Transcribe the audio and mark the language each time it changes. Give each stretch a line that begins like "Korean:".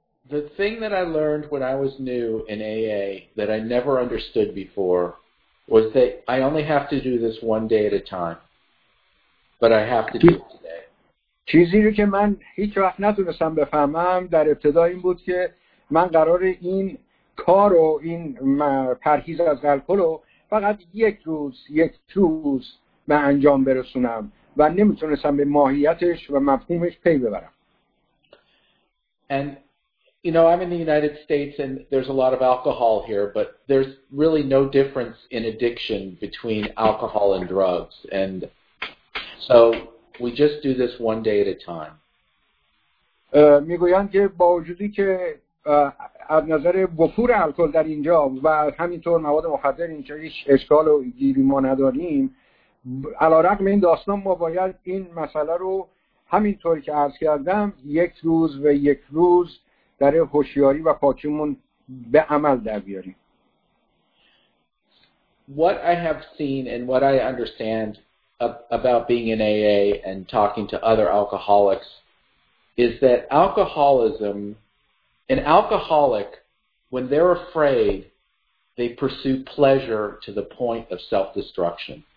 English: The thing that I learned when I was new in AA that I never understood before was that I only have to do this one day at a time, but I have to do it today.
Persian: چیزی رو که من هیچ وقت نتونستم بفهمم در ابتدا این بود که من قرار این کار و این پرهیز از الکل رو فقط یک روز به انجام برسونم و نمیتونستم به ماهیتش و مفهومش پی ببرم.
English: And you know I'm in the United States and there's a lot of alcohol here but there's really no difference in addiction between alcohol and drugs and so we just do this one day at a time.
Persian: میگویند که با وجودی که از نظر وفور الکل در اینجا و همینطور مواد مخدر اینجا هیچ اشکال و گیری ما نداریم علارغم این داستان ما باید این مسئله رو همینطور که عرض کردم یک روز و یک روز در هوشیاری و پاکیمون به عمل در بیاریم.
English: What I have seen and what I understand about being in AA and talking to other alcoholics is that alcoholism, an alcoholic, when they're afraid, they pursue pleasure to the point of self-destruction.